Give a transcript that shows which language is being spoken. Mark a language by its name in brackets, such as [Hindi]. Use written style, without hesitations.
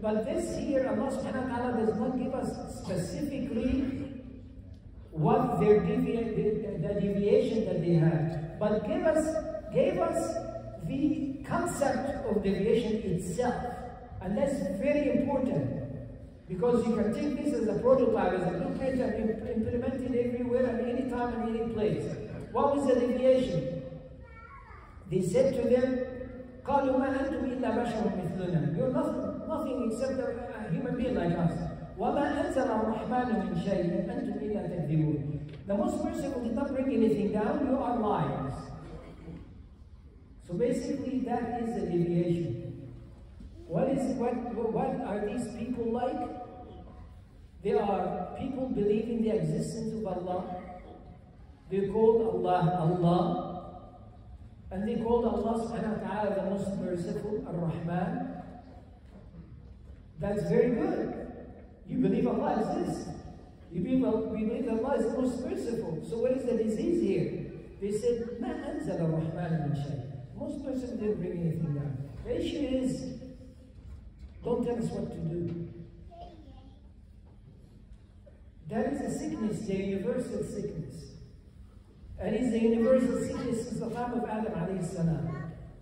[English] But this here, Allah subhanahu wa ta'ala does not give us specifically what their deviation that they had, but gave us the concept of deviation itself. And that's very important, because you can take this as a prototype, as a blueprint, and implement it everywhere and any time and any place. What was the deviation? They said to them, [Arabic] قَالُوا مَا أَنْتُمْ إِلَّا بَشَرٌ مِثْلُنَا. [English] You're nothing except a human being like us. [Arabic] وَمَا أَنْزَلَ الرَّحْمَنُ مِنْ شَيْءٍ أَنْتُمْ إِلَّا تَكْذِبُونَ. [English] The most merciful did not bring anything down, you are liars. So basically that is the deviation. What are these people like? They are people believing the existence of Allah. They called Allah Allah. And they called Allah subhanahu wa ta'ala the most merciful, Ar-Rahman. That's very good. You believe Allah exists. You believe Allah is the most merciful. So what is the disease here? They said, [Arabic] ما أنزل الرحمن من شيء. [English] Most merciful didn't bring anything down. The issue is, don't tell us what to do. That is a sickness, the universal sickness. And it's the universal sickness since the time of Adam alayhi salam.